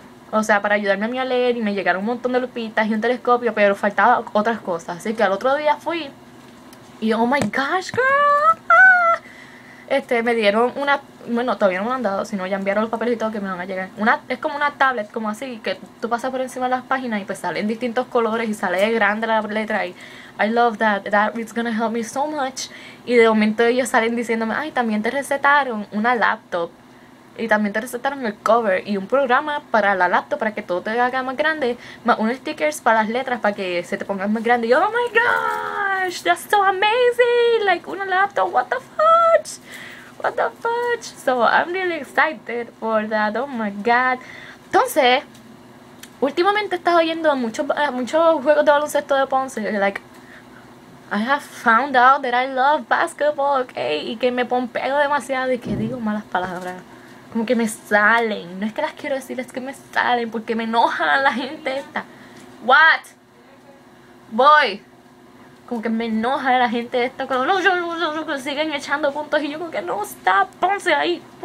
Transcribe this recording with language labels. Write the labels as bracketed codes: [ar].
[es] O sea, para ayudarme a mí a leer, y me llegaron un montón de lupitas y un telescopio, pero faltaba otras cosas. Así que al otro día fui y [en] oh my gosh, girl. [es] Me dieron una, bueno, todavía no me han dado, sino ya enviaron los papeles y todo, que me van a llegar. Es como una tablet, como así, que tú pasas por encima de las páginas y pues salen distintos colores y sale grande la letra. [en] Y I love that, that is gonna help me so much. [es] Y de momento ellos salen diciéndome, ay, también te recetaron una laptop. Y también te recetaron el cover y un programa para la laptop para que todo te haga más grande. Más unos stickers para las letras para que se te pongan más grande. Y yo, [en] oh my gosh, that's so amazing. Like, [es] una laptop, [en] what the fuck. What the fuck? So I'm really excited for that. Oh my god. [es] Entonces, últimamente he estado yendo a muchos juegos de baloncesto de Ponce. [en] Like, I have found out that I love basketball, okay? [es] Y que me pompeo demasiado y que digo malas palabras. Como que me salen. No es que las quiero decir, es que me salen porque me enojan la gente esta. [en] What? Boy. [es] Como que me enoja la gente de esto cuando siguen echando puntos y yo como que no está, ponse ahí.